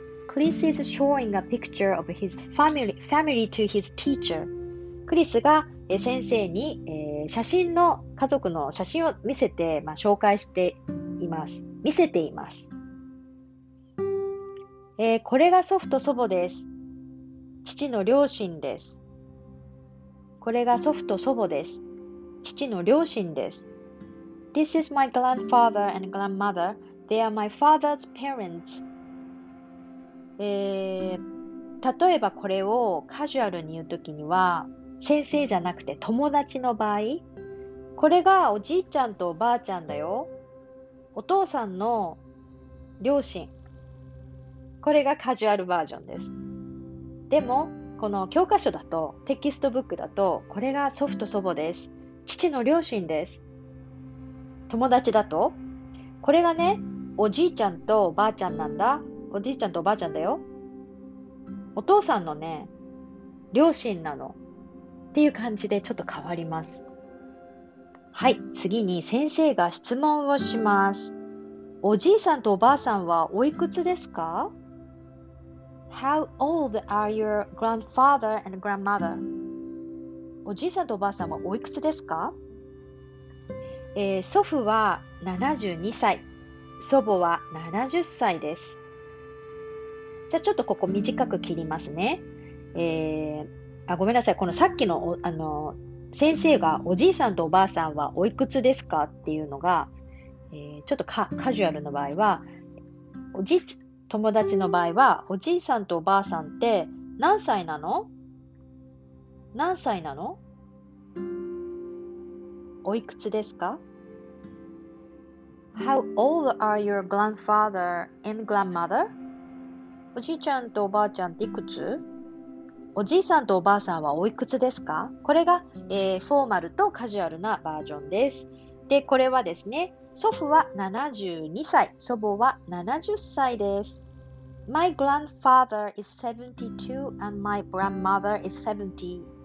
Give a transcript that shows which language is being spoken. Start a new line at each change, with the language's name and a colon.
English: Chris is showing a picture of his family to his teacher.
Japanese: クリスが先生に、家族の写真を見せて、まあ、紹介しています。見せています。これが祖父と祖母です。父の両親です。これが祖父と祖母です。父の両親です。
English: This is my grandfather and grandmother. They are my father's parents.
Japanese: 例えばこれをカジュアルに言うときには、先生じゃなくて友達の場合、これがおじいちゃんとおばあちゃんだよ。お父さんの両親。これがカジュアルバージョンです。でも、この教科書だと、テキストブックだと、これが祖父と祖母です。父の両親です。友達だと、これがね、おじいちゃんとおばあちゃんなんだ。おじいちゃんとおばあちゃんだよ。お父さんのね、両親なの。っていう感じでちょっと変わります。はい、次に先生が質問をします。おじいさんとおばあさんはおいくつですか？
English: How old are your grandfather and grandmother?
Japanese: おじいさんとおばあさんはおいくつですか？祖父は72歳、祖母は70歳です。じゃあちょっとここ短く切りますね。ごめんなさい、このさっきの、先生がおじいさんとおばあさんはおいくつですかっていうのが、ちょっとカジュアルの場合は、友達の場合は、おじいさんとおばあさんって何歳なの？何歳なの？おいくつですか？
English: How old are your grandfather and grandmother?
Japanese: おじいちゃんとおばあちゃんっていくつ？おじいさんとおばあさんはおいくつですか？これが、フォーマルとカジュアルなバージョンです。で、これはですね、祖父は72歳、祖母は70歳です。
English: My grandfather is 72 and my grandmother is 70.